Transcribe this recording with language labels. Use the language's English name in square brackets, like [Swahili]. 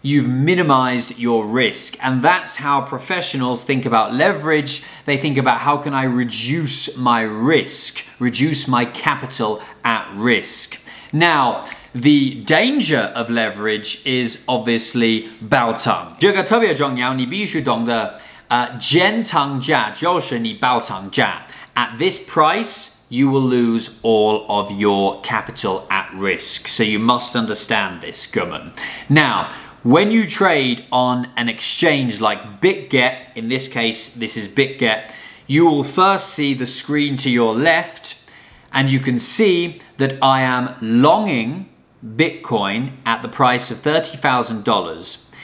[English] You've minimized your risk. And that's how professionals think about leverage. They think about how can I reduce my risk, reduce my capital at risk. Now, the danger of leverage is obviously 爆仓. [Chinese] 这个特别重要，你必须懂得减仓价就是你爆仓价。 [English] At this price, you will lose all of your capital at risk. So you must understand this, 哥们。Now, when you trade on an exchange like BitGet, in this case, this is BitGet, you will first see the screen to your left, and you can see that I am longing Bitcoin at the price of $30,000.